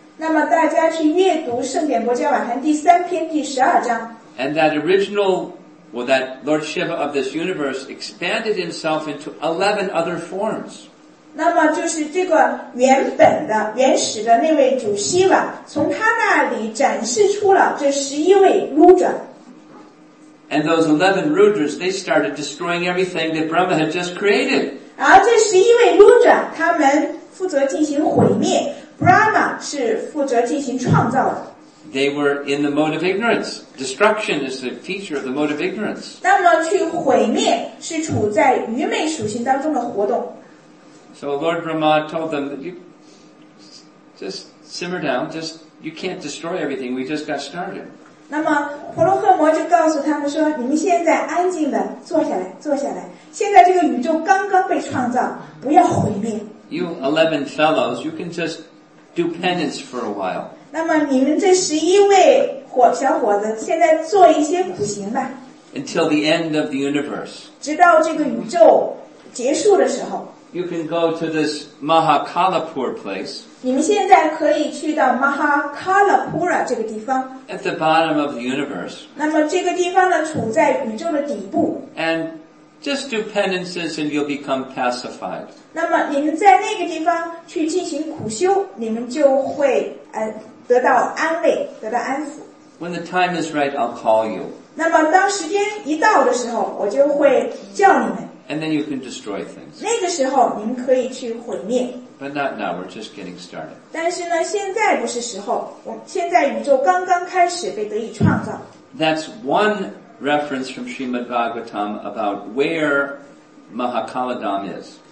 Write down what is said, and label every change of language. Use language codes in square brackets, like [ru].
[zh] 那么大家去阅读《圣典·摩迦瓦坛》第三篇第十二章。 [en] And that original, well, that Lord Shiva of this universe expanded himself into 11 other forms. [zh] 那么就是这个原本的、原始的那位主 Shiva， 从他那里展示出了这十一位 Rudra。 [en] And those 11 Rudras, they started destroying everything that Brahma had just created. [zh] 然后这十一位 Rudra， 他们负责进行毁灭 ，Brahma 是负责进行创造的。 [en] They were in the mode of ignorance. Destruction is the feature of the mode of ignorance. [zh] 那么去毁灭是处在愚昧属性当中的活动。 [en] So Lord Brahma told them, you just simmer down. Just you can't destroy everything. We just got started. [zh] 那么婆罗赫摩就告诉他们说：“你们现在安静的坐下来，坐下来。现在这个宇宙刚刚被创造，不要毁灭。” [en] You 11 fellows, you can just do penance for a while. [zh] 那么你们这十一位小伙子，现在做一些苦行吧。 [en] Until the end of the universe. [zh] 直到这个宇宙结束的时候。 [en] You can go to this Mahakalapur place. [zh] 你们现在可以去到 Mahakalapura 这个地方。 [en] At the bottom of the universe. [zh] 那么这个地方呢，处在宇宙的底部。 [en] And just do penances and you'll become pacified. [zh] 那么你们在那个地方去进行苦修，你们就会得到安慰，得到安抚。 [en] When the time is right, I'll call you. [zh] 那么当时间一到的时候，我就会叫你们。 [en] And then you can destroy things. [zh] 那个时候你们可以去毁灭。 [en] But not now, we're just getting started. [zh] 但是呢，现在不是时候，现在宇宙刚刚开始被得以创造。 [en] That's one reference from Srimad Bhagavatam about where Mahakaladham is.